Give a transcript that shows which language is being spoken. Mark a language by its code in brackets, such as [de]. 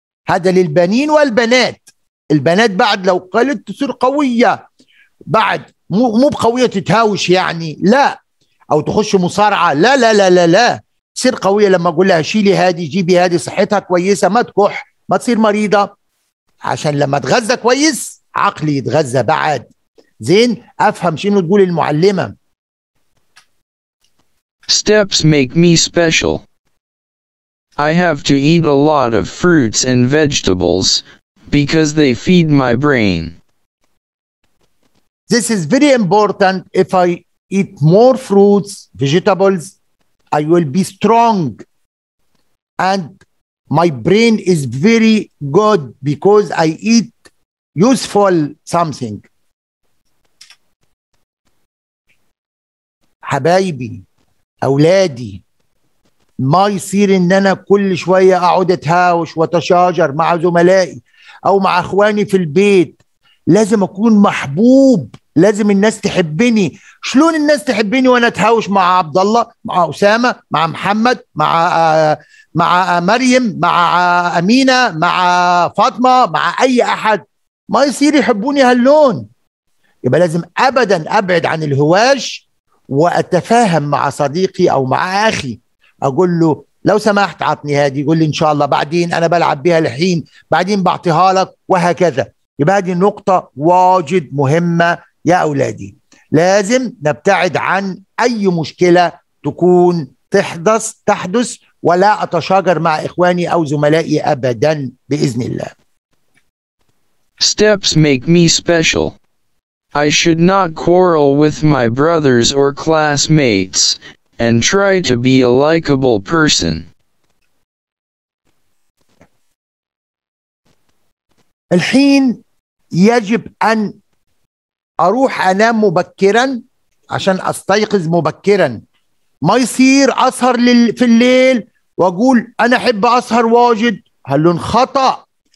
[ar] هذا للبنين والبنات. البنات بعد لو قلت تصير قوية، بعد مو بقوية تتهاوش يعني، لا، أو تخش مصارعة، لا لا لا لا لا، تصير قوية لما أقول لها شيلي هذه جيبي هذه، صحتها كويسة، ما تكح، ما تصير مريضة، عشان لما تغذى كويس عقلي يتغذى بعد. زين؟ أفهم شنو تقول المعلمة. [en] Steps make me special. I have to eat a lot of fruits and vegetables because they feed my brain. This is very important. If I eat more fruits, vegetables, I will be strong and My brain is very good because I eat useful something. [ar] حبايبي أولادي ما يصير إن أنا كل شوية أقعد أتهاوش وأتشاجر مع زملائي أو مع أخواني في البيت. لازم أكون محبوب، لازم الناس تحبني. شلون الناس تحبني وأنا أتهاوش مع عبد الله، مع أسامة، مع محمد، مع مريم، مع أمينة، مع فاطمة، مع أي أحد؟ ما يصير يحبوني هاللون. يبقى لازم أبدا أبعد عن الهواش وأتفاهم مع صديقي أو مع أخي، أقول له لو سمحت عطني هذه، يقول لي إن شاء الله بعدين، أنا بلعب بها الحين، بعدين بعطيها لك، وهكذا. يبقى هذه نقطة واجد مهمة يا أولادي، لازم نبتعد عن أي مشكلة تكون تحدث ولا أتشاجر مع إخواني أو زملائي أبدا بإذن الله. [en] Steps make me special. I should not quarrel with my brothers or classmates and try to be a likable person. [ar] الحين يجب أن أروح أنام مبكرا عشان أستيقظ مبكرا. ما يصير أسهر في الليل وأقول أنا أحب أسهر واجد، هلون خطأ.